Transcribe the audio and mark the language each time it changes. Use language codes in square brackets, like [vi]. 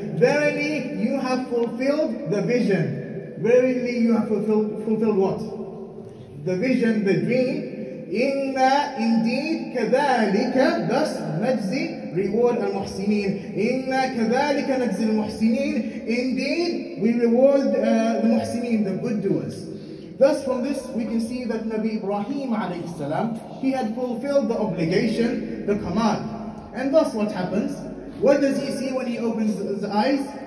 [en] Verily, you have fulfilled the vision. Verily, you have fulfilled what? The vision, the dream. [ar] إِنَّا [en] indeed [ar] كَذَلِكَ, [en] thus [ar] نَجْزِي [en] reward [ar] المحسنين. إِنَّا كَذَلِكَ نَجْزِي الْمُحْسِنِينَ, [en] indeed we reward the muhsineen, the good doers. Thus from this we can see that Nabi Ibrahim alayhi salam, he had fulfilled the obligation, the command. And thus what happens? What does he see when he opens his eyes?